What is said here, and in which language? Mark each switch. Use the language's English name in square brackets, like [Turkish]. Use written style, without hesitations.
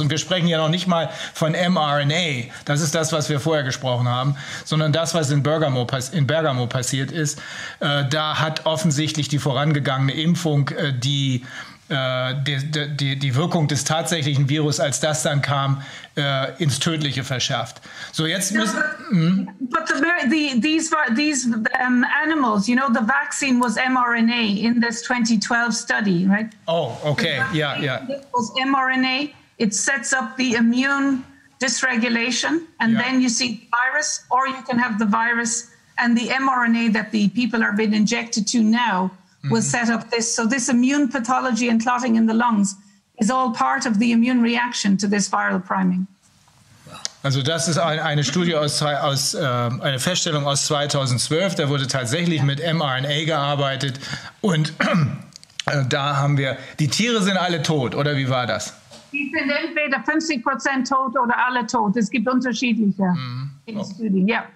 [German] Und wir sprechen ja noch nicht mal von mRNA, das ist das, was wir vorher gesprochen haben, sondern das, was in Bergamo passiert ist, da hat offensichtlich die vorangegangene Impfung die Wirkung des tatsächlichen Virus, als das dann kam, ins Tödliche verschärft. So jetzt müssen. [English] But these animals, you know, the vaccine was mRNA in this 2012 study, right? [German] Oh, okay, ja, ja. [English] It was mRNA. It sets up the immune dysregulation, and yeah. Then you see the virus, or you can have the virus and the mRNA that the people are being injected to now. Will set up this. So this immune pathology and clotting in the lungs is all part of the immune reaction to this viral priming. [German] Also das ist eine Studie eine Feststellung aus 2012. Da wurde tatsächlich mit mRNA gearbeitet und da haben wir, die Tiere sind alle tot, oder wie war das? Die sind entweder 50% tot oder alle tot. Es gibt unterschiedliche in Studien, ja.